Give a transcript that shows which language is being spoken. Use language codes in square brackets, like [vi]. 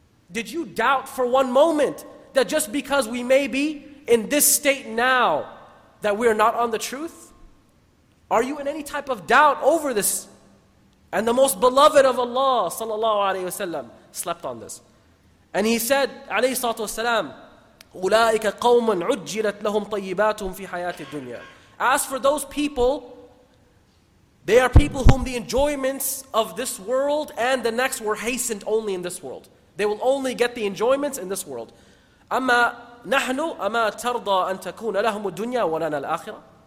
[en] Did you doubt for one moment that just because we may be in this state now, that we are not on the truth? Are you in any type of doubt over this? And the most beloved of Allah sallallahu alayhi wasallam slept on this. And he said, alayhi salatu wasalam, [ar] أُولَٰئِكَ قَوْمٌ عُجِّلَتْ لَهُمْ طَيِّبَاتُهُمْ فِي حَيَاةِ الدُّنْيَا. [en] As for those people, they are people whom the enjoyments of this world and the next were hastened only in this world. They will only get the enjoyments in this world. [ar] أَمَّا نَحْنُ أَمَا تَرْضَى أَن تَكُونَ لَهُمُ الدُّنْيَا وَلَنَا الْآخِرَةِ.